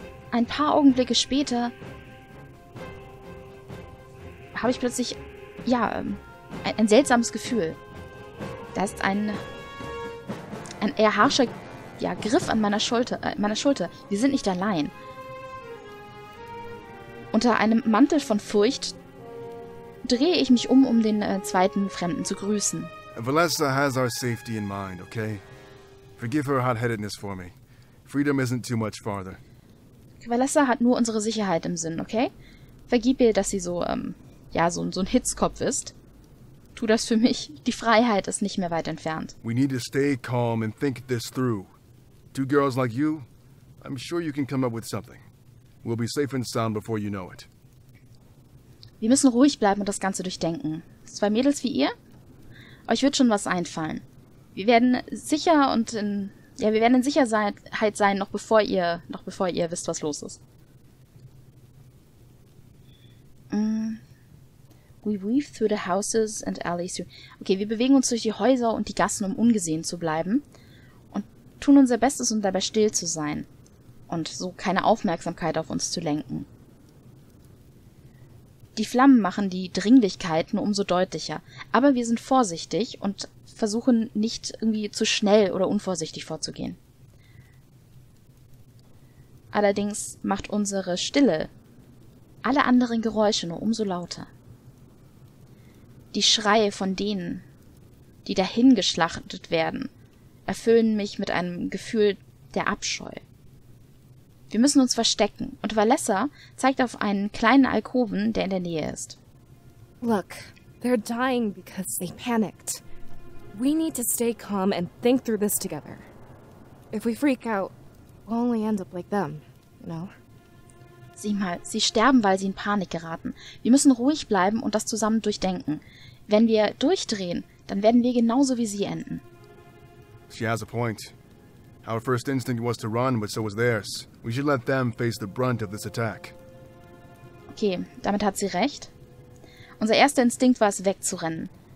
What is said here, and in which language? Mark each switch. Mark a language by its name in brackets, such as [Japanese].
[German] Ein paar Augenblicke später habe ich plötzlich, ja, ein seltsames Gefühl. Da ist ein eher harscher, ja, Griff an meiner Schulter. Wir sind nicht allein. Unter einem Mantel von Furcht drehe ich mich um den zweiten Fremden zu grüßen. [English] Valesta has our safety in mind, okay? Forgive her hot-headedness for me. Freedom isn't too much farther. [German] Valesta hat nur unsere Sicherheit im Sinn, okay? Vergib ihr, dass sie so, ja, so ein Hitzkopf ist. Tu das für mich. Die Freiheit ist nicht mehr weit entfernt. [English] We need to stay calm and think this through. Two girls like you, I'm sure you can come up with something. We'll be safe and sound before you know it. [German] Wir müssen ruhig bleiben und das Ganze durchdenken. Zwei Mädels wie ihr? Euch wird schon was einfallen. Wir werden sicher und in... Ja, wir werden in Sicherheit sein, noch bevor ihr wisst, was los ist. [English] We weave through the houses and alleys. [German] Okay, wir bewegen uns durch die Häuser und die Gassen, um ungesehen zu bleiben. Und tun unser Bestes, um dabei still zu sein. Und so keine Aufmerksamkeit auf uns zu lenken. Die Flammen machen die Dringlichkeit nur umso deutlicher. Aber wir sind vorsichtig und versuchen nicht irgendwie zu schnell oder unvorsichtig vorzugehen. Allerdings macht unsere Stille alle anderen Geräusche nur umso lauter. Die Schreie von denen, die dahin geschlachtet werden, erfüllen mich mit einem Gefühl der Abscheu. Wir müssen uns verstecken. Und Valesta zeigt auf einen kleinen Alkoven, der in der Nähe ist. [English] Look, they're dying because they panicked. We need to stay calm and think through this together. If we freak out, we'll only end up like them, you know? [German] Sieh mal, sie sterben, weil sie in Panik geraten. Wir müssen ruhig bleiben und das zusammen durchdenken. Wenn wir durchdrehen, dann werden wir genauso wie sie enden. [English] She has a point. Our first instinct was to run, but so was theirs. We should let them face the brunt of this attack. [German] Okay, damit hat sie recht. Unser erster Instinkt war es, wegzurennen.